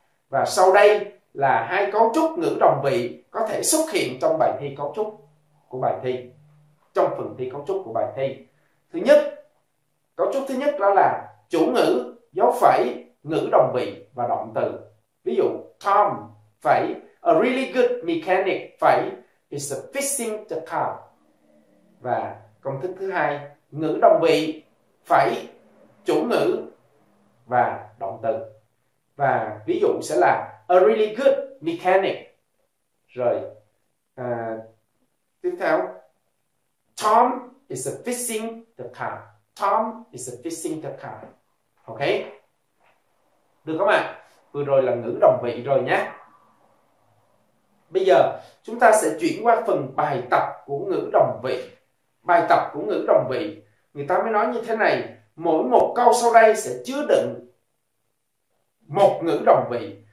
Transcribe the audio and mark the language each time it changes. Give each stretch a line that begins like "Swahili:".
Vietnamese: Và sau đây là hai cấu trúc ngữ đồng vị có thể xuất hiện trong bài thi cấu trúc của bài thi, trong phần thi cấu trúc của bài thi. Thứ nhất, cấu trúc thứ nhất đó là chủ ngữ, dấu phẩy, ngữ đồng vị và động từ. Ví dụ,
English: Tom phải, a really good mechanic phải, is fixing the car.
Vietnamese: Và công thức thứ hai, ngữ đồng vị phải, chủ ngữ và động từ. Và ví dụ sẽ là
English: a really good mechanic.
Vietnamese: Rồi, tiếp theo,
English: Tom is fixing the car. Tom is fixing the car. Ok?
Vietnamese: Được không ạ? À? Vừa rồi là ngữ đồng vị rồi nhé. Bây giờ, chúng ta sẽ chuyển qua phần bài tập của ngữ đồng vị. Bài tập của ngữ đồng vị, người ta mới nói như thế này. Mỗi một câu sau đây sẽ chứa đựng một ngữ đồng vị.